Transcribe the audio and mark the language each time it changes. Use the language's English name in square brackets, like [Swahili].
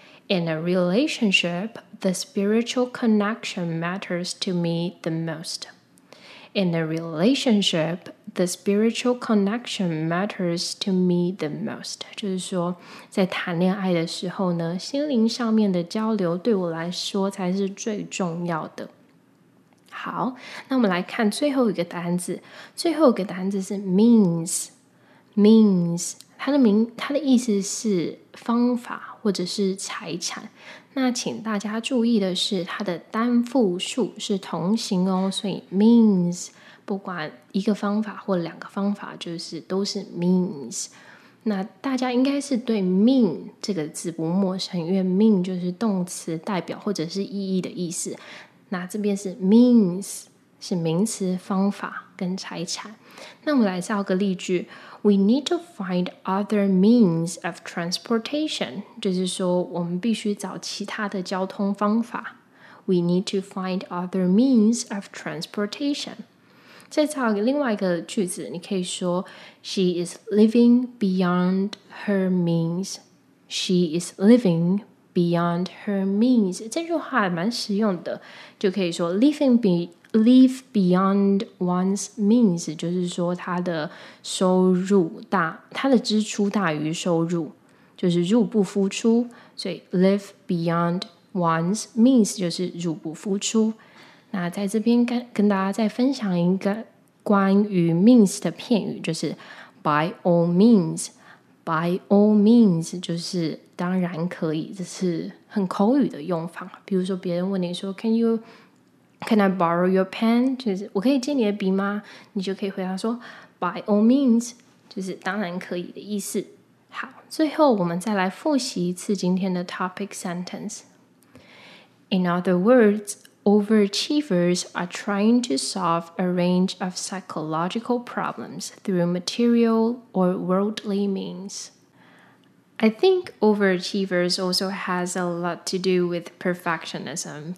[English] In a relationship, the spiritual connection matters to me the most. In a relationship, the spiritual connection matters to me the most. [Chinese] 就是说，在谈恋爱的时候呢，心灵上面的交流对我来说才是最重要的。好，那我们来看最后一个单字。最后一个单字是 means。 means， 它的意思是方法。或者是财产，那请大家注意的是它的单复数是同形哦，所以 means 不管一个方法或两个方法就是都是 means。那大家应该是对 mean 这个字不陌生，因为 mean 就是动词代表或者是意义的意思，那这边是 means 是名词方法跟财产。那我们来造个例句， [English] We need to find other means of transportation. [Chinese] 就是说我们必须找其他的交通方法。 [English] We need to find other means of transportation. [Chinese] 再造另外一个句子，你可以说 [English] She is living beyond her means. She is living beyond her means. [Chinese] 这句话蛮实用的，就可以说 [English] Live beyond one's means， [Chinese] 就是说他的支出大于收入，就是入不敷出，所以 [English] live beyond one's means [Chinese] 就是入不敷出。那在这边 跟大家再分享一个关于 means 的片语，就是 [English] by all means。 by all means [Chinese] 就是当然可以，这是很口语的用法，比如说别人问你说 [English] Can I borrow your pen? [Chinese] 就是我可以借你的笔吗？你就可以回答说 [English] By all means， [Chinese] 就是当然可以的意思。好，最后我们再来复习一次今天的 topic sentence。 [English] In other words, overachievers are trying to solve a range of psychological problems through material or worldly means. I think overachievers also has a lot to do with perfectionism.